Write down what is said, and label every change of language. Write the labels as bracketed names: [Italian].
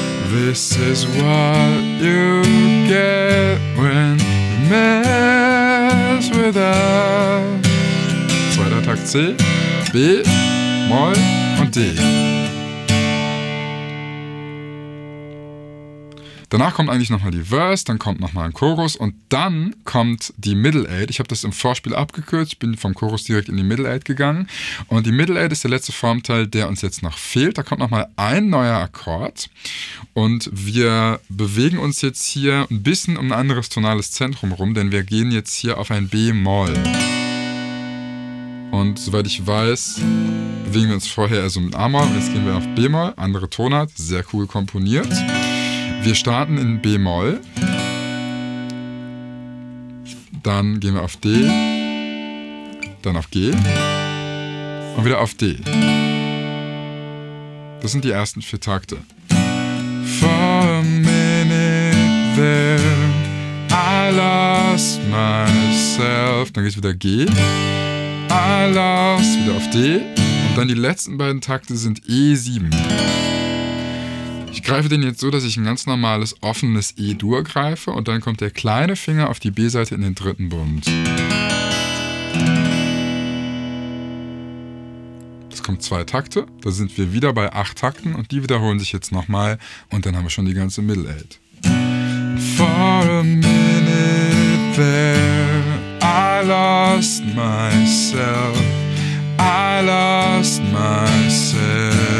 [English] This is what you get when you mess with us. [German] Zweiter Takt C, B, Moll und D. Danach kommt eigentlich nochmal die Verse, dann kommt nochmal ein Chorus und dann kommt die Middle Eight. Ich habe das im Vorspiel abgekürzt, bin vom Chorus direkt in die Middle Eight gegangen. Und die Middle Eight ist der letzte Formteil, der uns jetzt noch fehlt. Da kommt nochmal ein neuer Akkord und wir bewegen uns jetzt hier ein bisschen um ein anderes tonales Zentrum rum, denn wir gehen jetzt hier auf ein B-Moll. Und soweit ich weiß, bewegen wir uns vorher also mit A-Moll und jetzt gehen wir auf B-Moll, andere Tonart, sehr cool komponiert. Wir starten in B-Moll, dann gehen wir auf D, dann auf G und wieder auf D. Das sind die ersten vier Takte. [English] For a minute there, I lost myself. [German] Dann geht's wieder G, [English] I lost, [German] wieder auf D und dann die letzten beiden Takte sind E7. Ich greife den jetzt so, dass ich ein ganz normales, offenes E-Dur greife und dann kommt der kleine Finger auf die B-Seite in den dritten Bund. Das kommt zwei Takte, da sind wir wieder bei acht Takten und die wiederholen sich jetzt nochmal und dann haben wir schon die ganze Middle Eight. [English] For a minute there, I lost myself, I lost myself.